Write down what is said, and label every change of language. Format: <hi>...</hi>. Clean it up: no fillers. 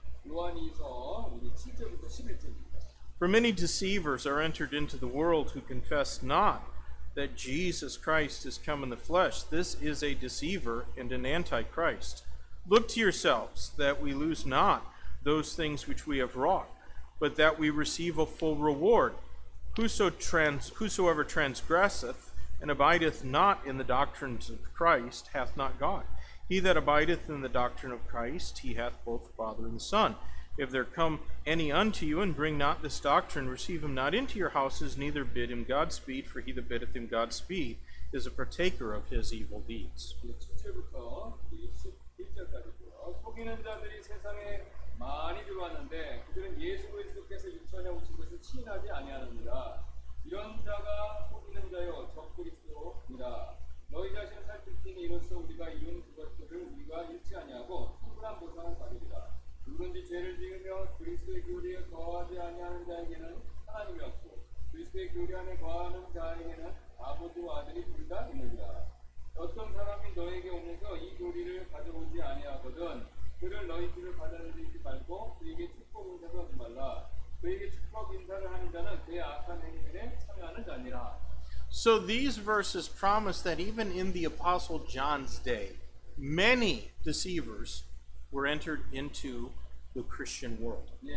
<ko>요한이서 7절부터 11절입니다.</ko> <en>For many deceivers are entered into the world who confess not that Jesus Christ is come in the flesh. This is a deceiver and an antichrist. Look to yourselves that we lose not those things which we have wrought, but that we receive a full reward. Whosoever transgresseth and abideth not in the doctrines of Christ hath not God. He that abideth in the doctrine of Christ, he hath both Father and Son. If there come any unto you and bring not this doctrine, receive him not into your houses, neither bid him Godspeed, for he that biddeth him Godspeed is a partaker of his evil deeds.</en> <ko>7절부터 11절까지고요. 속이는 자들이 세상에 많이 들어왔는데 그들은 예수 그리스도께서 육천에 오신 것을 시인하지 아니하느니라. 이런 자가 속이는 자여 적그리스도니라. 너희 자신 살피니 이로써 우리가 이룬 그것들을 우리가 잃지 아니하고 충분한 보상을 받으리라. 누구든지 죄를 지으며 그리스도의 교리에 거하지 아니하는 자에게는 하나님이 없고 그리스도의 교리 안에 거하는 자에게는 아버지와 아들이 둘 다 있느니라. 어떤 사람이 너에게 오면서 이 교리를 가져오지 아니하거든 그를 너희 길을 받아들이지 말고 그에게 축복 인사도 하지 말라. 그에게 축복 인사를 하는 자는 그의 악한 행실에 참여하는 자니라.</ko> <en>So these verses promise that even in the Apostle John's day, many deceivers were entered into the Christian world.</en>